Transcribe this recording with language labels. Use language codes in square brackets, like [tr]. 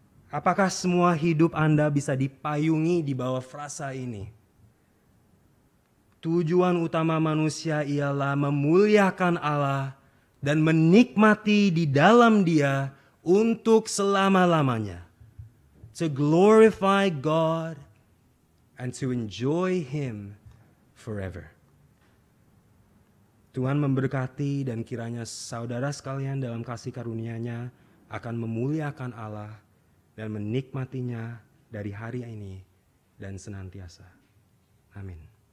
[id] Apakah semua hidup Anda bisa dipayungi di bawah frasa ini? Tujuan utama manusia ialah memuliakan Allah dan menikmati di dalam Dia untuk selama-lamanya. [en] To glorify God and to enjoy Him forever. [id] Tuhan memberkati dan kiranya saudara sekalian dalam kasih karunia-Nya akan memuliakan Allah dan menikmatinya dari hari ini dan senantiasa. Amin.